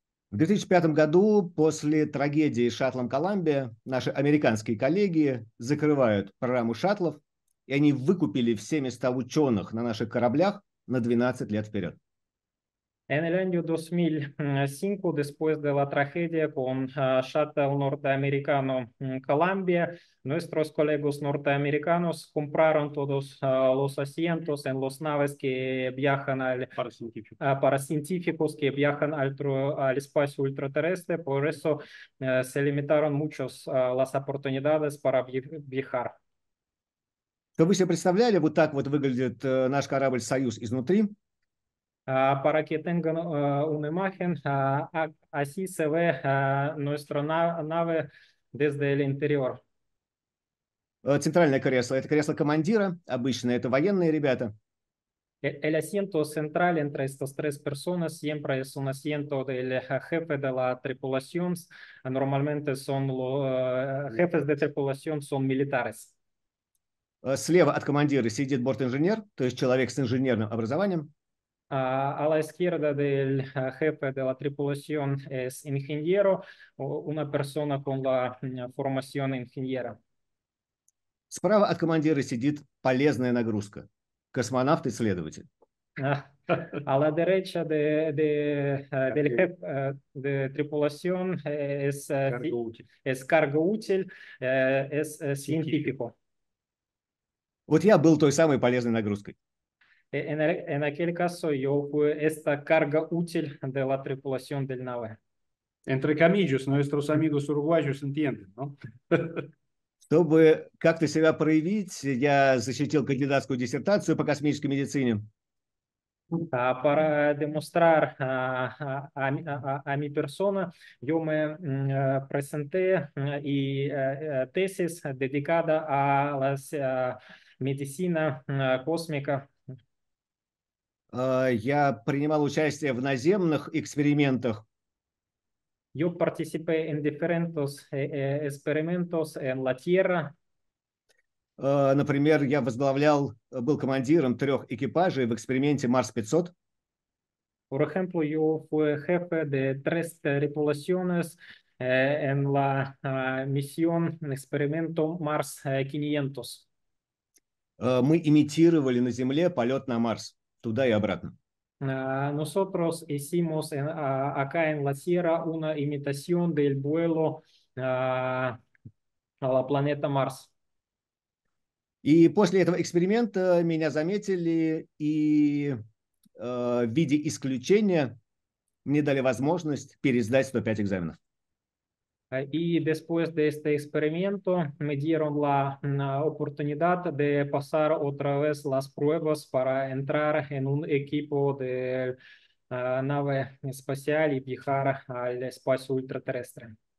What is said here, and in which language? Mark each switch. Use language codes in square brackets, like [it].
[ru] В 2005 году, после трагедии с шаттлом «Коламбия», наши американские коллеги закрывают программу шаттлов, и они выкупили все места ученых на наших кораблях на 12 лет вперед. [es] En el año 2005, después de la tragedia con шаттл norteamericano «Коламбия», nuestros colegas norteamericanos compraron todos los asientos en los naves que viajan al para científicos que viajan al espacio ultraterrestre, por eso se limitaron muchos las oportunidades para viajar. [ru] То вы себе представляли, вот так вот выглядит наш корабль «Союз» изнутри? [es] Para que tengan una imagen, así se ve nuestra nave desde el interior. [ru] Центральное кресло – это кресло командира, обычно это военные ребята. [es] El asiento central entre estas tres personas siempre es un asiento del jefe de la tripulación. Normalmente son los jefes de tripulación son militares. [ru] Слева от командира сидит бортинженер, то есть человек с инженерным образованием. [es] A la izquierda del jefe de la tripulación es ingeniero, una persona con la formación ingeniera. [ru] Справа от командира сидит полезная нагрузка, космонавт и следователь. [es] A la derecha del jefe de tripulación es cargoútil, es científico. [ru] Вот я был той самой полезной нагрузкой. [es] En aquel caso, yo fui esta carga útil de la tripulación del nave. Entre comillas, nuestros amigos uruguayos entienden, ¿no? [ru] Чтобы как-то себя проявить, я защитил кандидатскую диссертацию по космической медицине. [es] Para demostrar a mi persona, yo me presenté y tesis dedicada a la medicina cósmica. [ru] Я принимал участие в наземных экспериментах. [es] Yo participé en diferentes experimentos en la Tierra. [ru] Например, я возглавлял, был командиром 3 экипажей в эксперименте Марс 500. [es] Por ejemplo, yo fui jefe de 3 tripulaciones en la misión experimento Mars 500. [ru] Мы имитировали на Земле полет на Марс. Туда и обратно. [es] Nosotros hicimos acá en la Tierra una imitación del vuelo a la planeta Mars. [ru] И после этого эксперимента меня заметили, и в виде исключения мне дали возможность пересдать 105 экзаменов. [es] И después de este experimento me dieron la oportunidad de pasar otra vez las pruebas para entrar en un equipo de nave espacial y viajar al espacio ultraterrestre.